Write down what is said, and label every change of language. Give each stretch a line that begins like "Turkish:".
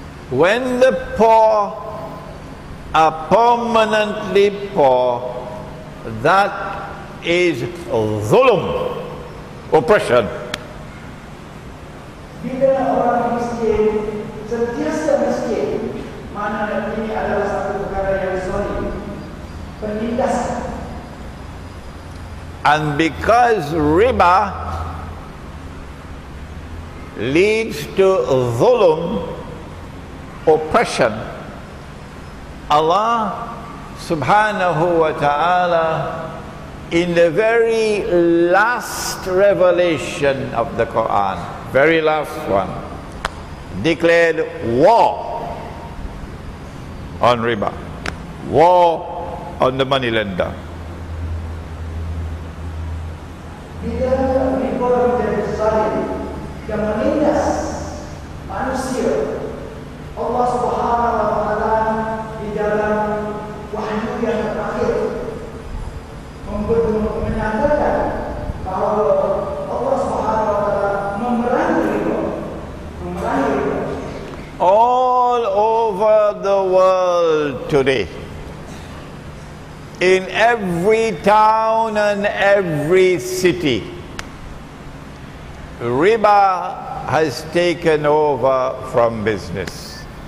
English: When the poor are permanently poor, that is zulm, oppression.
Malay: Bila orang miskin sentiasa miskin, mana ini adalah satu perkara yang zalim, penindas.
English: And because riba leads to zulm, oppression, Allah subhanahu wa ta'ala, in the very last revelation of the Quran, very last one, declared war on riba, war on the moneylender.
Malay: Bila riba menjadi zalim, yang menindas manusia, Allah subhanahu wa ta'ala di dalam wahyu yang terakhir menyatakan bahwa Allah subhanahu wa ta'ala memerangi riba.
English: All over the world today, in every town and every city, riba has taken over from business.